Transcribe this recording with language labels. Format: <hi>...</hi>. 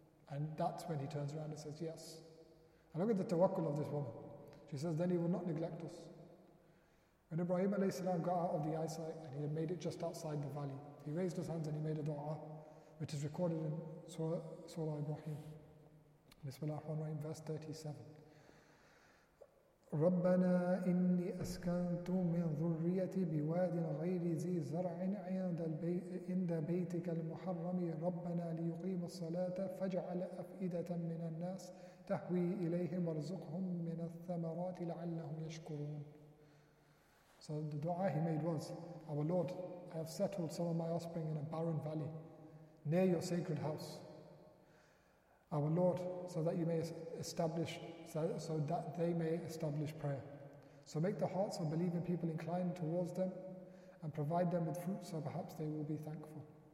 <en>And that's when he turns around and says, "Yes." And look at the tawakkul of this woman. She says, "Then he will not neglect us." When Ibrahim alayhi salam got out of the eyesight and he had made it just outside the valley, he raised his hands and he made a dua, which is recorded in Surah Ibrahim. Bismillah ar-Rahman ar-Rahim, verse 37.</en> <ar>ربنا إني أسكنت من ذريتي بواد غير ذي زرع عند بيتك المحرم ربنا ليقيم الصلاة فاجعل أفئدة من الناس تهوي إليهم وارزقهم من الثمرات لعلهم يشكرون.</ar> <en>So the dua he made was, "Our Lord, I have settled some of my offspring in a barren valley near your sacred house. Our Lord, so that they may establish prayer. So make the hearts of believing people inclined towards them and provide them with fruit so perhaps they will be thankful."</en>